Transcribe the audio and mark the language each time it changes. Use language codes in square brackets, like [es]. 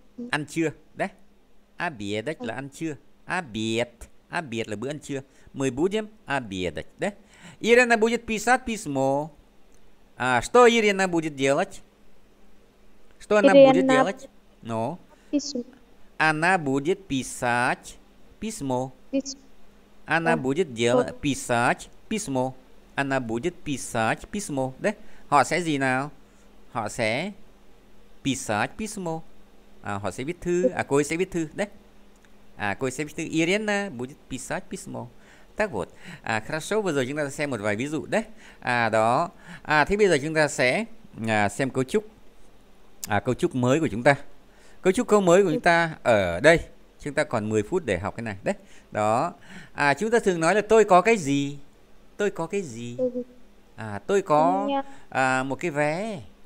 [vi] Ăn trưa, да? [ru] Обедать [vi] là ăn trưa. [ru] Обед. [vi] Обед là bữa ăn trưa. [ru] Мы будем обедать, да? Ирина будет писать письмо. А что Ирина будет делать? Что она будет делать? Ну. Она будет писать письмо. Она будет делать писать письмо. Она будет писать письмо. [vi] Да? Họ sẽ gì nào? Họ sẽ [ru] писать письмо. [vi] À, họ sẽ viết thư. À, cô ấy sẽ viết thư. [ru] Да? [vi] À, cô ấy sẽ viết thư. [ru] Ирина будет писать письмо. Так вот. [vi] À, хорошо. Vừa rồi chúng ta xem một vài ví dụ. Да? À, đó. À, thế bây giờ chúng ta sẽ Xem cấu trúc, cấu trúc mới của chúng ta. Cấu trúc câu mới của chúng ta ở đây, chúng ta còn 10 phút để học cái này đấy. Đó, chúng ta thường nói là tôi có cái gì, tôi có cái gì, tôi có một cái vé.